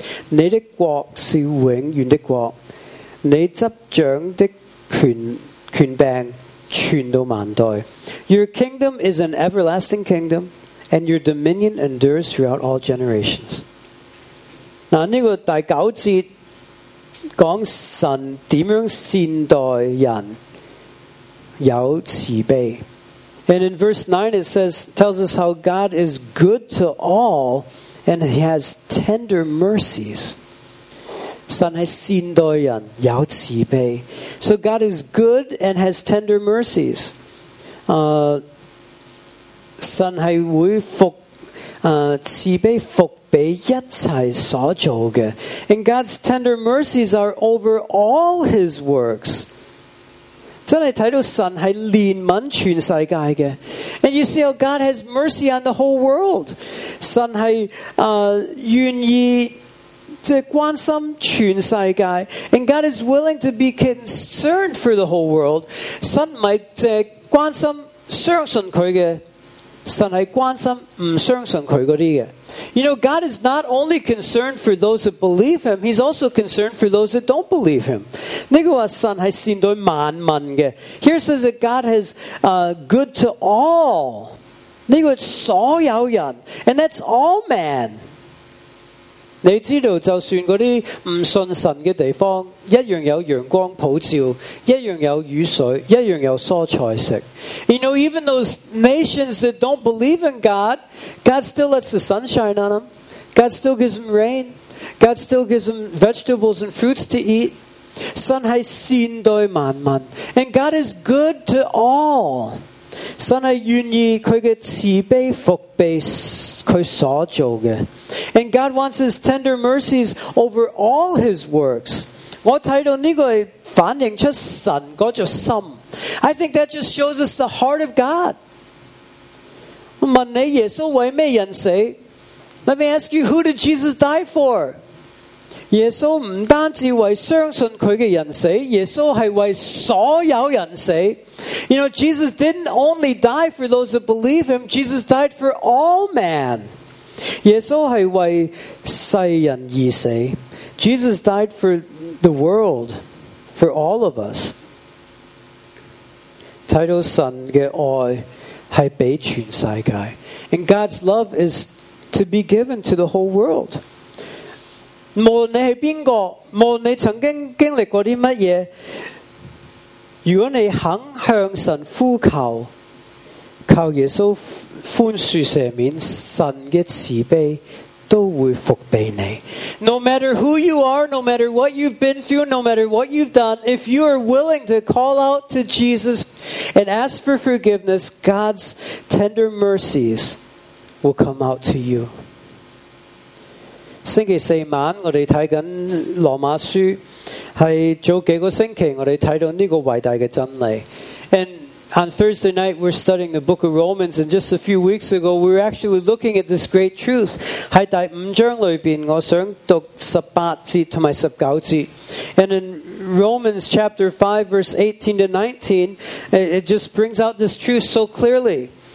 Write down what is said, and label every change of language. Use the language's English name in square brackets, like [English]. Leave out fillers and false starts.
[Chinese] 你的国是永远的国，你执掌的权柄传到万代。 [English] Your kingdom is an everlasting kingdom, and your dominion endures throughout all generations. [Chinese] 那这个第九节讲神怎样善待人，有慈悲。 [English] And in verse 9 it says, tells us how God is good to all, and he has tender mercies. [Chinese] 神是善待人，有慈悲。 [English] So God is good and has tender mercies. [Chinese] 神是会复慈悲复庇一切所做的。 [English] And God's tender mercies are over all his works. [Chinese] 真的看到神是怜悯全世界的。 [English] And you see how God has mercy on the whole world. [Chinese] 神是愿意to 关心全世界。 [English] And God is willing to be concerned for the whole world. [Chinese] 神不是关心相信祂的，神是关心不相信祂那些。 [English] You know, God is not only concerned for those that believe him, he's also concerned for those that don't believe him. [Chinese] 那个话神是善待万民的。 [English] Here says that God has good to all. 那个所有人。 And that's all man. [Chinese] 你知道就算那些不信神的地方，一样有阳光普照，一样有雨水，一样有蔬菜食。 [English] You know, even those nations that don't believe in God, God still lets the sun shine on them. God still gives them rain. God still gives them vegetables and fruits to eat. 神是善待万民。 And God is good to all. [Chinese] 神是愿意祂的慈悲复庇祂所做的。 [English] And God wants his tender mercies over all his works. [Chinese] 我看到这个反映出神那种心。 [English] I think that just shows us the heart of God. [Chinese] 问你耶稣为什么人死？ [English] Let me ask you, who did Jesus die for? [Chinese] 耶稣不单只为相信祂的人死，耶稣是为所有人死。 [English] You know, Jesus didn't only die for those that believe him, Jesus died for all man. [Chinese] 耶稣是为世人而死。 [English] Jesus died for the world, for all of us. [Chinese] 睇到神的爱是俾全世界。 [English] And God's love is to be given to the whole world. [Chinese] 无论你是谁，无论你曾经经历过什么，如果你肯向神呼求，靠耶稣宽恕赦免，神的慈悲都会复庇你。 [English] No matter who you are, no matter what you've been through, no matter what you've done, if you are willing to call out to Jesus and ask for forgiveness, God's tender mercies will come out to you. [Chinese] 星期四晚我们看着罗马书，是早几个星期我们看到这个伟大的真理。 [English] AndOn Thursday night, we're studying the book of Romans, and just a few weeks ago, we were actually looking at this great truth. [Chinese] 在第五章里面，我想读十八节和十九节。 [English] And in Romans chapter 5, verse 18-19, it just brings out this truth so clearly.